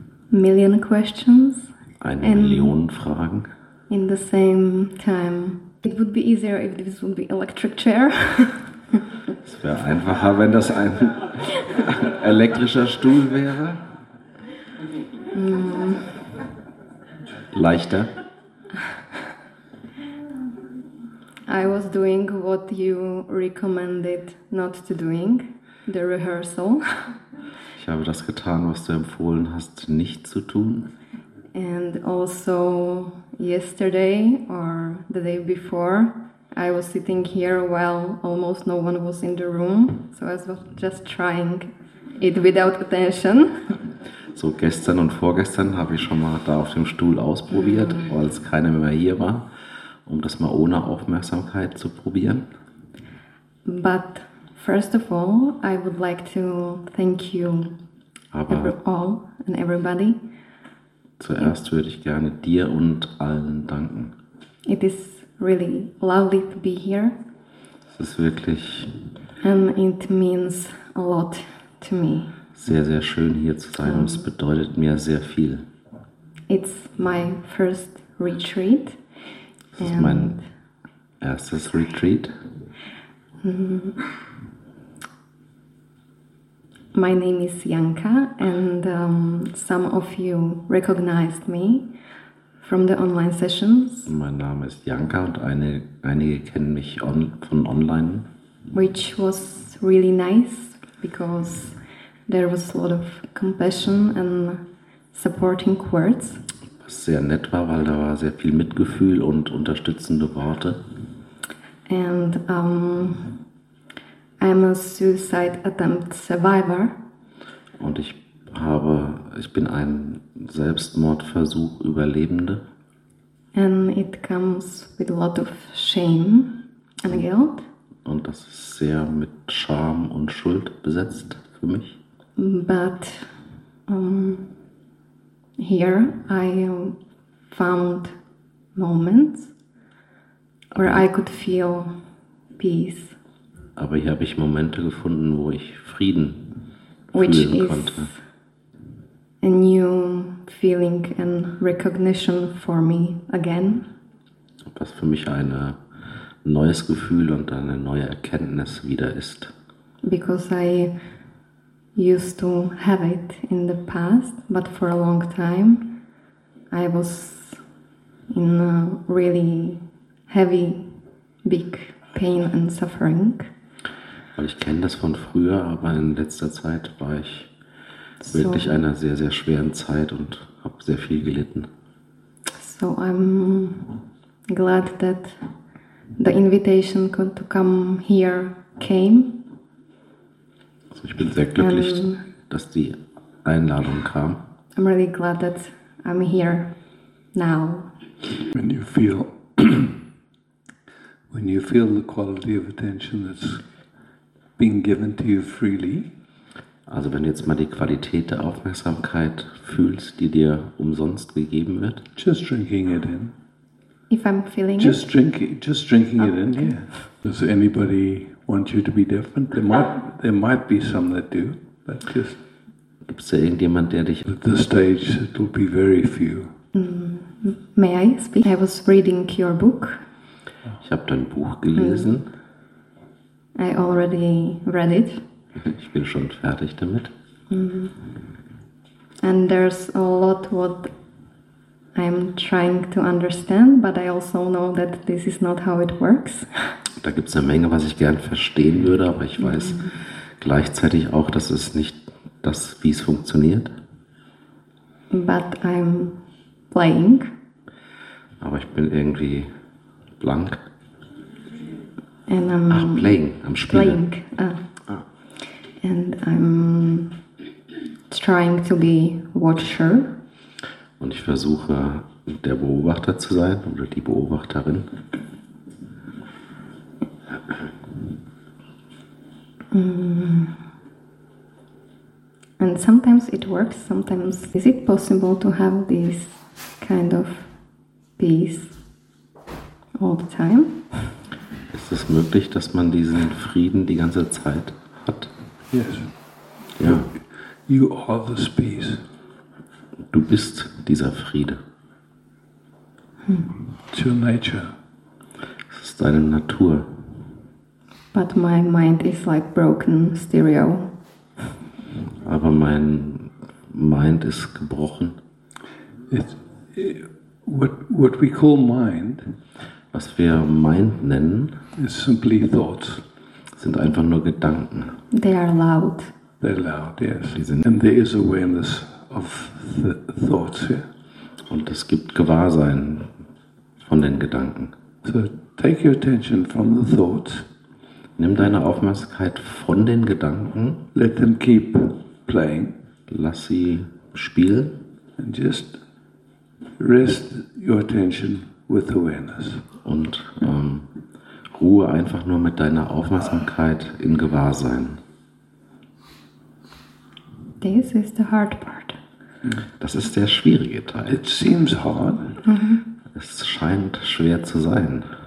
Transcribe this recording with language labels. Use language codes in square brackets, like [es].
[en] Million questions. [de] Eine Million Fragen. [en] In the same time. It would be easier if this would be electric chair. [de] Es wäre einfacher, wenn das ein elektrischer Stuhl wäre. Leichter. [en] I was doing what you recommended not to doing, the rehearsal. [de] Ich habe das getan, was du empfohlen hast, nicht zu tun. [en] And also yesterday or the day before, I was sitting here while almost no one was in the room, so I was just trying it without attention. [de] So gestern und vorgestern habe ich schon mal da auf dem Stuhl ausprobiert, weil es keiner mehr hier war, um das mal ohne Aufmerksamkeit zu probieren. [en] But first of all, I would like to thank you all and everybody. [de] Zuerst würde ich gerne dir und allen danken. [en] It is really lovely to be here. [de] Es ist wirklich. [en] And it means a lot to me. [de] Sehr, sehr schön hier zu sein. Es bedeutet mir sehr viel. [en] It's my first retreat. [de] Es ist mein erstes Retreat. [en] My name is Janka, and some of you recognized me from the online sessions. [de] Mein Name ist Janka und einige kennen mich von online. [en] Which was really nice, because there was a lot of compassion and supporting words. [de] Was sehr nett war, weil da war sehr viel Mitgefühl und unterstützende Worte. [en] And I'm a suicide attempt survivor. [de] Und ich bin ein Selbstmordversuch-Überlebende. [en] And it comes with a lot of shame and guilt. [de] Und das ist sehr mit Scham und Schuld besetzt für mich. [en] But here I found moments where I could feel peace. [de] Aber hier habe ich Momente gefunden, wo ich Frieden fühlen konnte. [en] A new feeling and recognition for me again. [de] Was für mich ein neues Gefühl und eine neue Erkenntnis wieder ist. [en] Because I used to have it in the past, but for a long time I was in a really heavy, big pain and suffering. [de] Weil ich kenne das von früher, aber in letzter Zeit war ich wirklich einer sehr, sehr schweren Zeit und habe sehr viel gelitten. [en] So I'm glad that the invitation to come here came. [de] Also ich bin sehr glücklich, dass die Einladung kam. [en] I'm really glad that I'm here now. When you feel the quality of attention that's being given to you freely. [de] Also wenn du jetzt mal die Qualität der Aufmerksamkeit fühlst, die dir umsonst gegeben wird. [en] Just drinking it in. If I'm feeling just it. Just drinking it in, yeah. Does anybody want you to be different? There might be some that do, but just. [de] Gibt's da irgendjemand, der dich. [en] At this stage, it will be very few. May I speak? I was reading your book. [de] Ich habe dein Buch gelesen. [en] I already read it. [de] Ich bin schon fertig damit. [en] And there's a lot what I'm trying to understand, but I also know that this is not how it works. [de] Da gibt's eine Menge, was ich gern verstehen würde, aber ich weiß gleichzeitig auch, dass es nicht das, wie es funktioniert. [en] But I'm blank. [de] Aber ich bin irgendwie blank. [en] And I'm playing. I'm [de] spielen. [en] Playing. And I'm trying to be watcher. [de] Und ich versuche, der Beobachter zu sein oder die Beobachterin. Mm. [en] And sometimes it works, sometimes is it possible to have this kind of peace all the time? [de] Ist es möglich, dass man diesen Frieden die ganze Zeit hat? [en] Yes. [de] Ja. [en] You are this peace. [de] Du bist dieser Friede. [en] It's your nature. [de] Es ist deine Natur. [en] But my mind is like broken stereo. [de] Aber mein Mind ist gebrochen. [en] What we call mind, [de] was wir Mind nennen, [en] is simply thoughts. [de] Sind einfach nur Gedanken. [en] They are loud. They're loud, yes. And there is awareness of the thoughts. Yeah. [de] Und es gibt Gewahrsein von den Gedanken. [en] So take your attention from the thoughts. [de] Nimm deine Aufmerksamkeit von den Gedanken. [en] Let them keep playing. [de] Lass sie spielen. [en] And just rest your attention with awareness. [de] Und ruhe einfach nur mit deiner Aufmerksamkeit im Gewahrsein. [en] This is the hard part. [de] Das ist der schwierige Teil. [en] It seems hard. Mm-hmm. [de] Es scheint schwer zu sein.